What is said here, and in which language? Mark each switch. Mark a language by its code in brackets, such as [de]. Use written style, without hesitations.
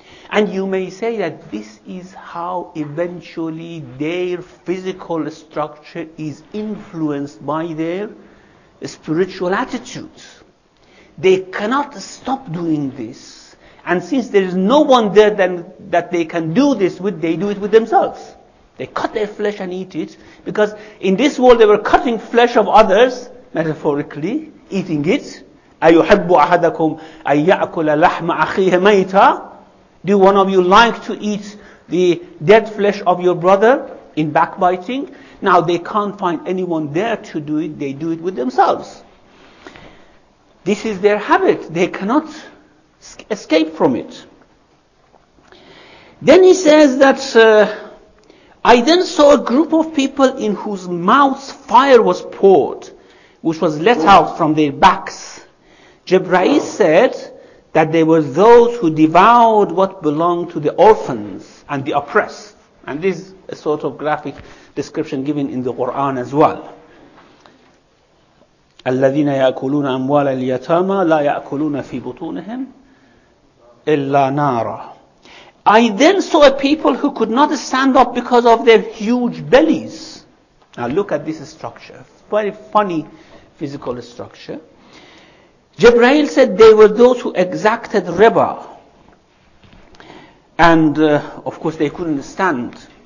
[en] And you may say that this is how eventually their physical structure is influenced by their spiritual attitudes. They cannot stop doing this. And since there is no one there then that they can do this with, they do it with themselves. They cut their flesh and eat it. Because in this world they were cutting flesh of others, metaphorically, eating it. [ar] أَيُحَبُّ أَحَدَكُمْ أَن يَأْكُلَ لَحْمَ أَخِيهِ مَيْتًا. [en] Do one of you like to eat the dead flesh of your brother in backbiting? Now they can't find anyone there to do it. They do it with themselves. This is their habit. They cannot escape from it. Then he says that I then saw a group of people in whose mouths fire was poured, which was let out from their backs. Jibreel said that they were those who devoured what belonged to the orphans and the oppressed. And this is a sort of graphic description given in the Quran as well. [ar] الَّذِينَ يَأْكُلُونَ أَمْوَالَ الْيَتَامَى لَا يَأْكُلُونَ فِي بُطُونِهِمْ Illa Nara. [en] I then saw a people who could not stand up because of their huge bellies. Now look at this structure. Very funny physical structure. Jibreel said they were those who exacted riba. And of course they couldn't stand.